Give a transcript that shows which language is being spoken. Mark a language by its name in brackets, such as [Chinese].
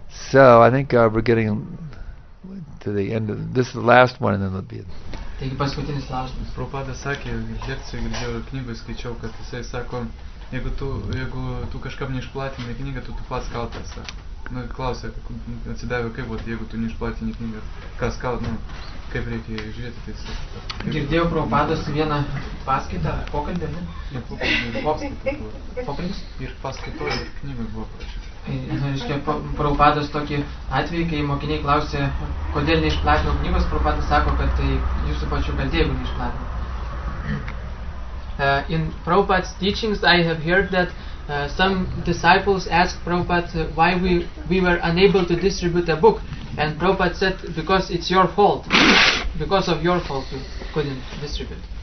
[English] So I think we're getting to the end of this is the last one, and then it'll be. [Lithuanian] Taigi paskutinis klausimas. Prabhupada sakė, lekcijoje girdėjau knygą, skaičiau, kad jisai sako, jeigu tu kažkam neišplatini knygą, tu pats kaltas. Nu, klausė, atsidavė, kaip vat, jeigu tu neišplatini knygą, kas kalt, nu, kaip reikia žiūrėti tai sakė. Girdėjau Prabhupada su vieną paskaitą, pokalbį, ne? Ir paskaitoj, ir knygą buvo prašyti. Reiškia, Prabhupada tokį atvejį, kai mokiniai klausė, kodėl neišplatino knygos, Prabhupada sako, kad tai jūsų pačių kaltė, jeigu neišplatino. [English] In Prabhupada's teachings, I have heard that some disciples asked Prabhupada why we were unable to distribute a book, and Prabhupada said, because it's your fault, because of your fault you couldn't distribute.